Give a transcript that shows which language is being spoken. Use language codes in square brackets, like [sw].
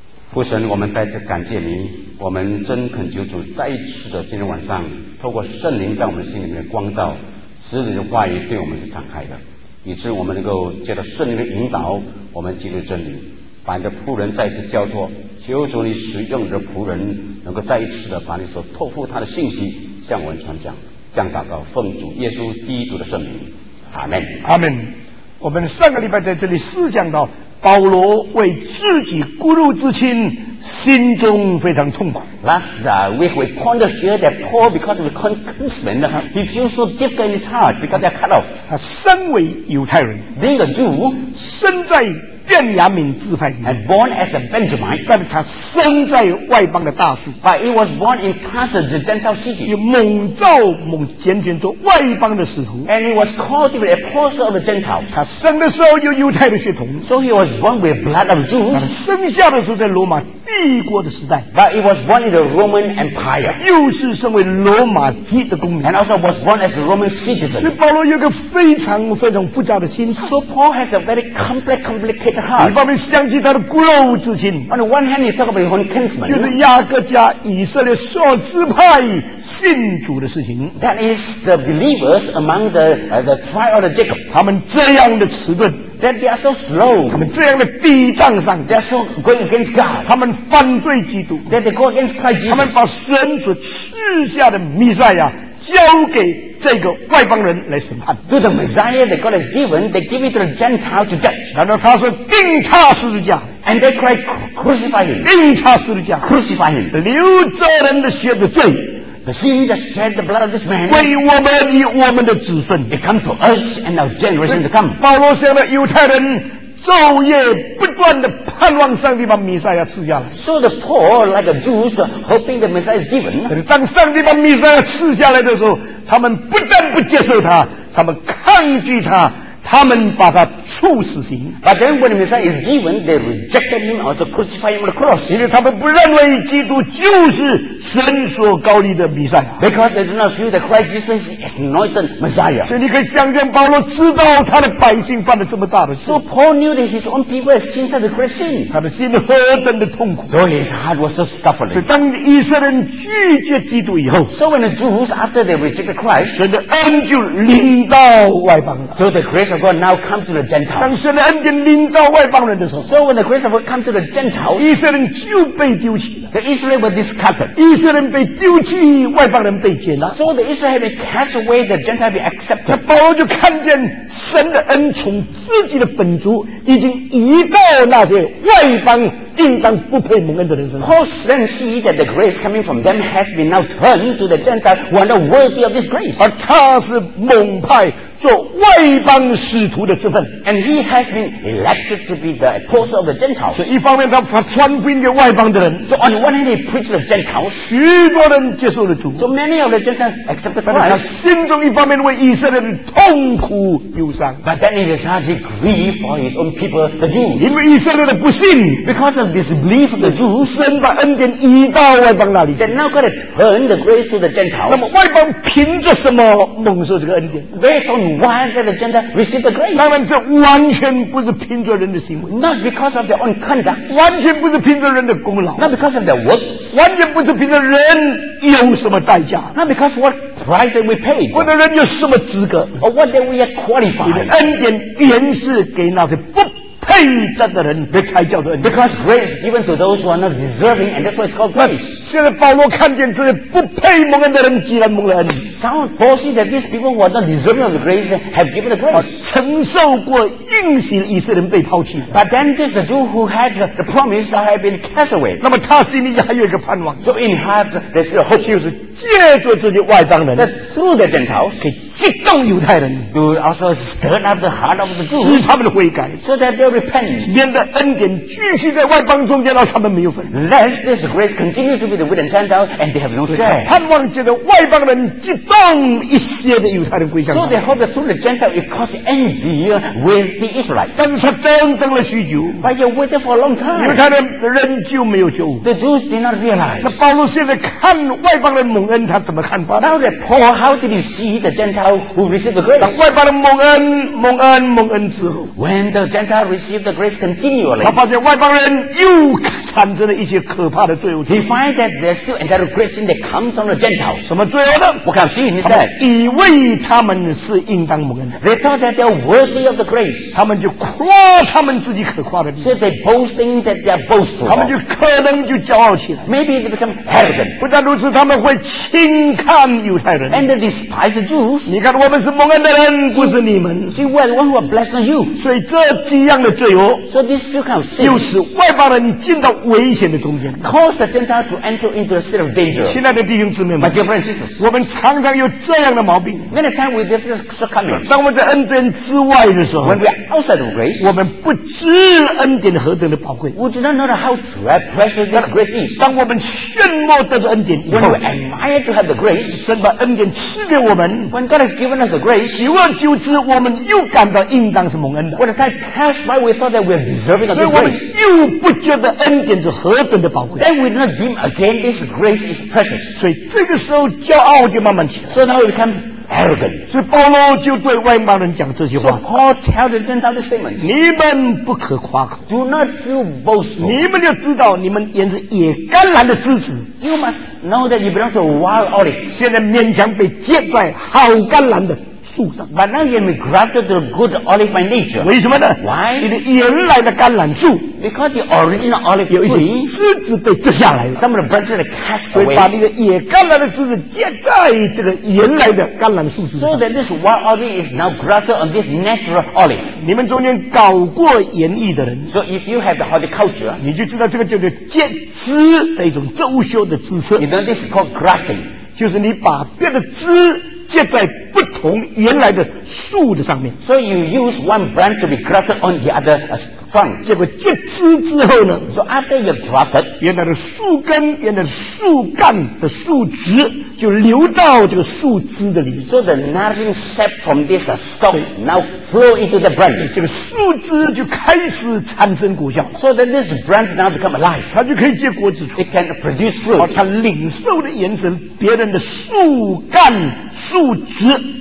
[zh] 父神，我们再次感谢你，我们真恳求主再一次的今天晚上透过圣灵在我们心里面的光照，使你的话语对我们是敞开的，以致我们能够借着圣灵的引导，我们进入真理，把你的仆人再一次交托，求主你使用你的仆人能够再一次的把你所托付他的信息向我们传讲。这样祷告奉主耶稣基督的圣名，阿们，阿们。我们上个礼拜在这里思想到保罗为自己骨肉之亲心中非常痛苦。 [en] Last week we pondered here that Paul, because of the conscription, he feels so difficult in his heart because they're cut off. [zh] 他身为犹太人 [en] ，being a Jew， [zh] 身在便雅悯支派 [en] ，and born as a Benjamite， [zh] 但他生在外邦的大树 [en] ，but he was born in Tarsus, the Gentile city， [zh] 又蒙召蒙拣选做外邦的使徒 [en] ，and he was called to be an apostle of the Gentiles。 [zh] 他生的时候有犹太的血统 [en] ，so he was born with blood of Jews。 [zh] 生下的时候在罗马帝国的时代 [en] ，but he was born in the Roman Empire， [zh] 又是身为罗马籍的公民 [en] ，and also was born as a Roman citizen。 [zh] 所以保罗有个非常非常复杂的心 [en] ，so Paul has a very complicated。 [zh] 一方面想起他的骨肉之亲 [en] ，On the one hand, he talk about his own kinsman， [zh] 就是雅各家以色列所支派信主的事情。 [en] That is the believers among the tribe of Jacob。 [zh] 他们这样的迟钝 [en] ，That they are so slow。 [zh] 他们这样的抵挡上 [en] ，They are so going against God。 [zh] 他们反对基督 [en] ，That they go against Christ Jesus。 [zh] 他们把神所赐下的弥赛亚交给这个外邦人来审判。 [en] To the Messiah that God has given, they give it to the Gentiles to judge. [zh] 然后他说钉他十字架。 [en] And they cry, crucify him. [zh] 钉他十字架。 [en] Crucify him. [zh] 流着人的血的罪。 [en] The sin that shed the blood of this man. [zh] 为我们与我们的子孙。 [en] They come to us and our generation to come. [zh] 保罗说的犹太人昼夜不断地盼望上帝把弥赛亚赐下来。 [en] So the poor, like a Jews, hoping the Messiah is given. [zh] 当上帝把弥赛亚赐下来的时候，他们不但不接受他，他们抗拒他，他们把他处死刑。 [en] But then when Messiah is given, they rejected him, also crucified him on the cross. [zh] 因为他们不认为基督就是神所高立的弥赛亚。 [en] Because they do not feel that Christ Jesus is anointed Messiah. [zh] 所以你可以想见保罗知道他的百姓犯了这么大的事。 [en] So Paul knew that his own people had sinned such a great sin. [zh] 他的心何等的痛苦。 [en] So his heart was so suffering. [zh] 所以当以色列人拒绝基督以后。 [en] So when the Jews, after they rejected Christ, [zh] 神的恩就临到外邦了。 [en] So the grace of God now comes to the Gentiles. [zh] 当神的恩典临到外邦人的时候。 [en] So when the grace of God comes to the Gentiles, [zh] 以色列人就被丢弃了。 [en] The Israelites were discarded. [zh] 以色列人被丢弃，外邦人被接纳。 [en] So the Israelites were cast away, the Gentiles were accepted. [zh] 保罗就看见神的恩从自己的本族已经移到那些外邦应当不配蒙恩的人身上。 [en] Paul then see that the grace coming from them has been now turned to the Gentiles who are not worthy of this grace. [zh] 而他是蒙派做外邦使徒的职分。 [en] And he has been elected to be the apostle of the Gentiles. [zh] 所以一方面他传福音给外邦的人。 [en] So on one hand he preached to the Gentiles. [zh] 许多人接受了主。 [en] So many of the Gentiles accepted Christ. [zh] 但他心中一方面为以色列人痛苦忧伤。 [en] But then in his heart he grieved for his own people, the Jews. [zh] 因为以色列人不信。 [en] Because of disbelief of the Jews. [zh] 神把恩典移到外邦那里。 [en] Then now God turned the grace to the Gentiles. [zh] 那么外邦凭着什么蒙受这个恩典？ [en] Based on one the Gentiles received the grace. [zh] 当然这完全不是凭着人的行为。 [en] Not because of their own conduct. [zh] 完全不是凭着人的功劳。 [en] Not because of their work. [zh] 完全不是凭着人有什么代价。 [en] Not because of what price that we paid. [zh] 或者人有什么资格。 [en] Or what that we are qualified. [zh] 恩典原是给那些不配得的人的才叫做恩典。 [en] Because grace is given to those who are not deserving, and that's why it's called grace. [zh] 现在保罗看见这些不配蒙恩的人，既然蒙了恩典。 [en] Some Paul see that these people who are not deserving of the grace have given the grace. [zh] 承受过应许的以色列人被抛弃。 [en] But then this the Jew who had the promise that had been cast away. [zh] 那么他心里还有一个盼望。 [en] So in heart there's a hope. [zh] 就是借着这些外邦人。 [en] That through the Gentiles. [zh] 可以激动犹太人。 [en] To also stir up the heart of the Jews. [zh] 使他们的悔改。 [en] So that they'll repent. [zh] 免得恩典继续在外邦中间让他们没有份。 [en] Lest this grace continue to be the wooden Gentile and they have no share. [zh] 盼望借着外邦人激动。当一些的犹太人归向 [en] 他。So they hope that through the Gentiles it caused envy with the Israelites. [zh] 但是他等等了许久。 [en] But you waited for a long time. [zh] 犹太人仍旧没有救。 [en] The Jews did not realize. [zh] 那保罗现在看外邦人蒙恩，他怎么看法？ [en] Now that Paul, how did he see the Gentile who received the grace? [zh] 外邦人蒙恩，蒙恩，蒙恩之后。 [en] When the Gentile received the grace continually. [zh] 他发现外邦人又产生了一些可怕的罪恶。 [en] He finds that there's still another great sin that comes from the Gentiles. [zh] 什么罪恶呢？我看。他们以为他们是应当蒙恩的。 [en] They thought that they are worthy of the grace. [zh] 他们就夸他们自己可夸的。 [en] So they boasting that they are boastful. [zh] 他们就可能就骄傲起来。 [en] Maybe they become arrogant. [zh] 不但如此，他们会轻看犹太人。 [en] And they despise the Jews. [zh] 你看，我们是蒙恩的人，不是你们。 [en] See, we are the ones who are blessed on you. [zh] 所以这几样的罪恶。 [en] So this two kind of sin. [zh] 又使外邦人进到危险的中间。 [en] Cause the Gentiles to enter into a state of danger. [zh] 亲爱的弟兄姊妹们。 [en] My dear brothers and sisters. [zh] 我们常常有这样的毛病。 [en] Many times we just succumb. [zh] 当我们在恩典之外的时候 [en] ，When we are outside of grace， [zh] 我们不知恩典何等的宝贵。 [en] We do not know how precious this grace is。 [zh] 当我们炫目得着恩典 [en] ，When we admire to have the grace， [zh] 神把恩典赐给我们 [en] ，When God has given us the grace， [zh] 久而久之，我们又感到应当是蒙恩的。 [en] When the time passed by， we thought that we are deserving of this grace， [zh] 所以我们又不觉得恩典是何等的宝贵。 [en] Then we do not deem again this grace is precious。 [zh] 所以这个时候骄傲就慢慢起。 [en] So now we become arrogant. [zh] 所以保罗就对外邦人讲这句话。 [en] So Paul tells the Gentiles this statement. [zh] 你们不可夸口。 [en] Do not feel boastful. [zh] 你们就知道你们原是野橄榄的枝子。 [en] You must know that you belong to a wild olive. [zh] 现在勉强被接在好橄榄的。 [en] But now you have been grafted to the good olive by nature. [zh] 为什么呢？ [en] Why? [zh] 你的原来的橄榄树。 [en] Because the original olive tree. [zh] 有一些枝子被折下来了。 [en] Some of the branches are cast away. [zh] 所以把那个野橄榄的枝子接在这个原来的橄榄树上。 [en] So that this wild olive is now grafted on this natural olive. [zh] 你们中间搞过园艺的人。 [en] So if you have the horticulture. [zh] 你就知道这个叫做接枝的一种周修的姿势。 [en] You know this is called grafting. [zh] 就是你把别的枝接在不从原来的树的上面。 [en] So you use one branch to be grafted on the other trunk. [zh] 结果截枝之后呢 [en] ？So after you grafted, [zh] 原来的树根、原来的树干的树枝就流到这个树枝的里面。 [en] So the nourishing sap from this stalk now flow into the branch. [zh] 这个树枝就开始产生果效。 [en] So then this branch now become alive. [zh] 它就可以结果子出。 [en] It can produce fruit. [zh] 它领受的眼神，别人的树干、树枝。